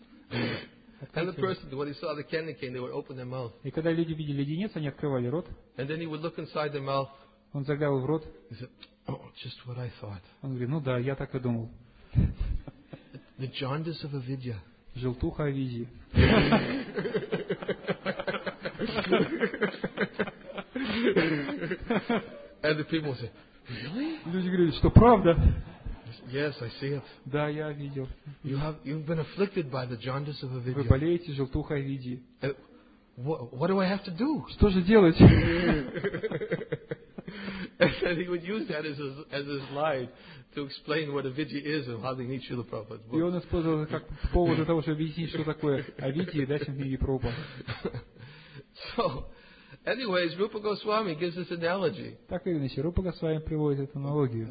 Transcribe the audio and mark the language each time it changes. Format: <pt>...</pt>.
<en>And the person, when he saw the candy cane, they would open their mouth.</en> <ru>И когда люди видели леденец, они открывали рот.</ru> <en>And then he would look inside their mouth.</en> <ru>Он заглядывал в рот.</ru> <en>He said, oh, just what I thought.</en> <ru>Он говорит, ну да, я так и думал.</ru> <en>The jaundice of avidya.</en> <ru>Желтуха авидьи.</ru> <en>And the people say, really?</en> <ru>Люди говорят, что правда?</ru> <en>Yes, I see it.</en> <ru>Да, я видел.</ru> <en>You've been afflicted by the jaundice of avidya.</en> <ru>Вы болеете желтухой авидии.</ru> <en>What do I have to do?</en> <ru>Что же делать?</ru> <en>And he would use that as a slide to explain what avidya is and how they need Srila Prabhupada's book.</en> <ru>И он использовал как повод для того, чтобы объяснить, что такое авидия, да, чем книги Прабхупады.</ru> <en>So, anyways, Rupa Goswami gives this analogy.</en> <ru>Так или иначе, Рупа Госвами приводит эту аналогию.</ru>